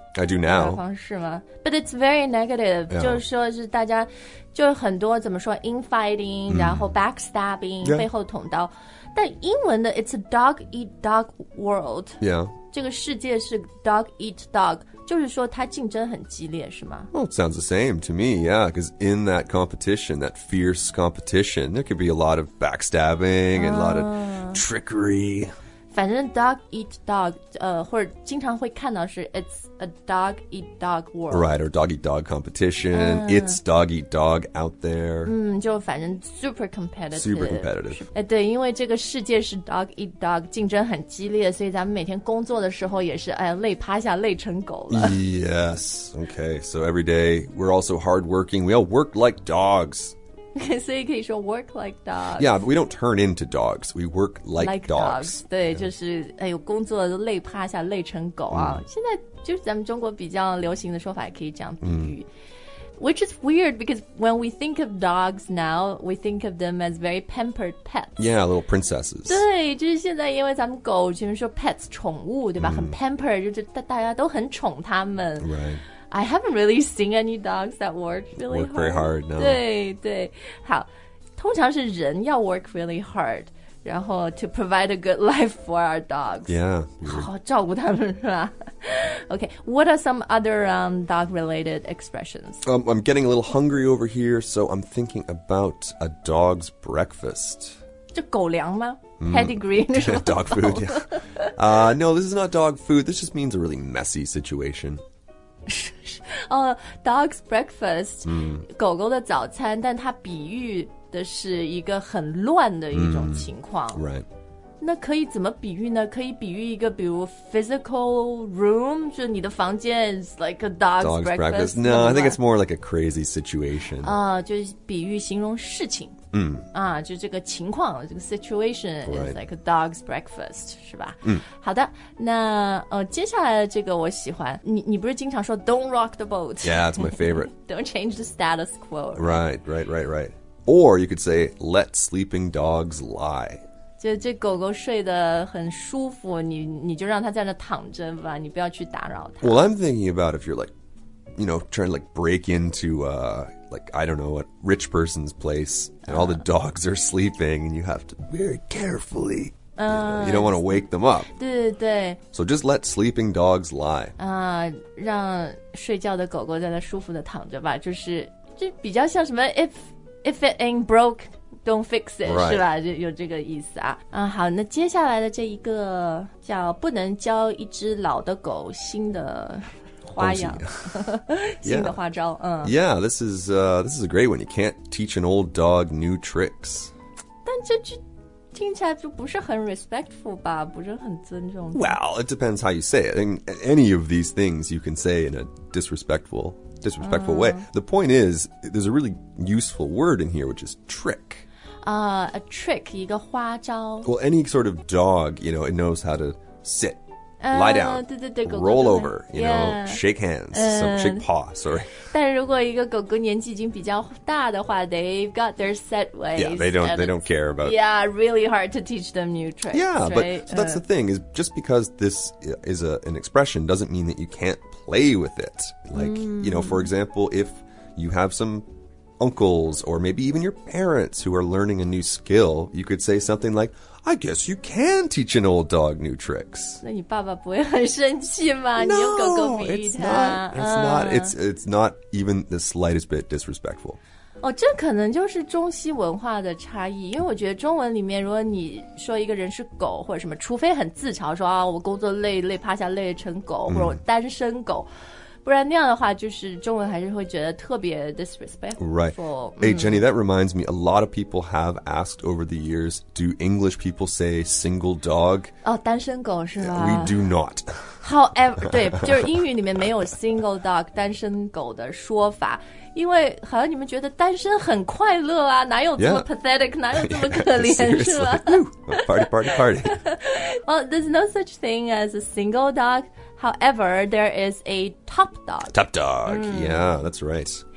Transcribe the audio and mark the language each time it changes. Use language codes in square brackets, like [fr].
[en] I do now [zh] 方式吗 [en] But it's very negative、yeah. [zh] 就是说是大家就是很多怎么说 infighting、mm. 然后 backstabbing、yeah. 背后捅刀但英文的 [en] it's a dog eat dog world、 yeah. [zh] 这个世界是 dog eat dog 就是说它竞争很激烈是吗 [en] Well it sounds the same to me yeah because in that competition that fierce competition there could be a lot of backstabbing and a lot of trickery [zh] 反正 dog eat dog 或者经常会看到是 [en] it's a dog eat dog world Right or dog eat dog competition、it's dog eat dog out there [zh] 就反正 [en] super competitive Super competitive [zh] 对因为这个世界是 dog eat dog 竞争很激烈所以咱们每天工作的时候也是累趴下累成狗了 [en] Yes Okay So every day we're also hardworking We all work like dogs [zh] 所以可以说 work like dogs. [en] Yeah, but we don't turn into dogs. We work like dogs. [zh] 对、yeah. 就是哎呦工作累趴下累成狗啊、mm. 现在就是咱们中国比较流行的说法也可以这样比喻、mm. [en] Which is weird because when we think of dogs now, we think of them as very pampered pets. Yeah, little princesses. [zh] 对就是现在因为咱们狗前面说 pets, 宠物对吧、mm. 很 pampered, 就是大家都很宠它们。 [en] Right. I haven't really seen any dogs that work really hard. Work very hard, no. [zh] 对对，好，通常是人要 work really hard, 然后 [en] to provide a good life for our dogs. Yeah. [zh] 好照顾他们是吧 [en] Okay, what are some other dog-related expressions? I'm getting a little hungry over here, so I'm thinking about a dog's breakfast. [zh] 这狗粮吗 ?Pedigree? [en] Dog food, yeah. No, this is not dog food. This just means a really messy situation. dog's breakfast、mm. [zh] 狗狗的早餐但它比喻的是一个很乱的一种情况、 [en] mm. right. [zh] 那可以怎么比喻呢可以比喻一个比如 physical room 就是你的房间 [en] is like a dog's breakfast No, I think it's more like a crazy situation [zh] 就是比喻形容事情、 mm. 就这个情况这个 situation、 [en] right. is like a dog's breakfast [zh] 是吧、 mm. 好的那接下来这个我喜欢 你不是经常说 [en] don't rock the boat Yeah, it's my favorite Don't change the status quo right? right Or you could say let sleeping dogs lie [zh] 就这狗狗睡得很舒服你就让它在那躺着吧你不要去打扰它 [en] Well, I'm thinking about if you're like, you know, trying to like break into a, like, I don't know, a rich person's place and all the dogs are sleeping and you have to very carefully, you don't want to wake them up. [zh] 对对对 [en] So just let sleeping dogs lie. [zh] 让睡觉的狗狗在那舒服的躺着吧就是就比较像什么 [en] if it ain't broke,Don't fix it,、 right. [zh] 是吧？就有这个意思啊。好，那接下来的这一个叫不能教一只老的狗新的花样，新的花招。 [en] Yeah. 嗯，Yeah, this is a great one. You can't teach an old dog new tricks. [zh] 但这听起来就不是很 respectful 吧？不是很尊重。 [en] Well, it depends how you say it. And any of these things you can say in a disrespectful way. The point is, there's a really useful word in here, which is trick. A trick, [zh] 一个花招 [en] Well, any sort of dog, you know, it knows how to sit lie down, [zh] 对对对 [en] roll over, you know, shake hands, shake paw, sorry. [zh] 但如果一个狗狗年纪已经比较大的话 [en] they've got their set ways. Yeah, they don't care about... Yeah, really hard to teach them new tricks, yeah, right? But, so that's the thing, is just because this is an expression doesn't mean that you can't play with it. Like, you know, for example, if you have some... uncles or maybe even your parents who are learning a new skill, you could say something like, I guess you can teach an old dog new tricks. [zh] 那你爸爸不会很生气吗 [en] No, [zh] 你用狗狗比喻他 [en] it's not even the slightest bit disrespectful. [zh] 哦，这可能就是中西文化的差异，因为我觉得中文里面如果你说一个人是狗或者什么，除非很自嘲说啊，我工作累累趴下累成狗，或者我单身狗不然那样的话就是中文还是会觉得特别 disrespectful. [en] Right. Hey, Jenny, that reminds me, a lot of people have asked over the years, do English people say single dog? [zh] 哦、oh, 单身狗是吧 [en] We do not. [zh] However, 对就是英语里面没有 single dog, 单身狗的说法因为好像你们觉得单身很快乐啊哪有这么 pathetic,、 [en] yeah. [zh] 哪有这么可怜 [en] yeah, [zh] 是吧 [en] Party, party, party. Well, there's no such thing as a single dog. However, there is a top dog. Top dog,、yeah, that's right.